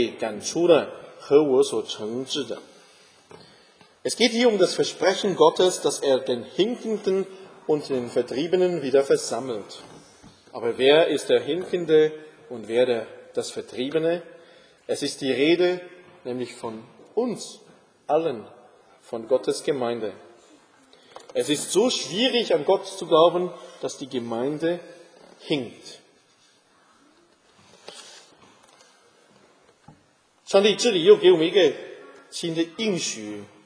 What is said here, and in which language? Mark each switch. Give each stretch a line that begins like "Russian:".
Chinese: 第六节，耶和华说，到那日，我必聚集瘸腿的，召集被赶出的和我所惩治的。
German: Es geht hier um das Versprechen Gottes, dass er den Hinkenden und den Vertriebenen wieder versammelt. Aber wer ist der Hinkende und wer das Vertriebene? Es ist die Rede, nämlich von uns allen, von Gottes Gemeinde. Es ist so schwierig, an Gott zu glauben, dass die Gemeinde hinkt.
Chinese: 上帝这里又给我们一个新的应许。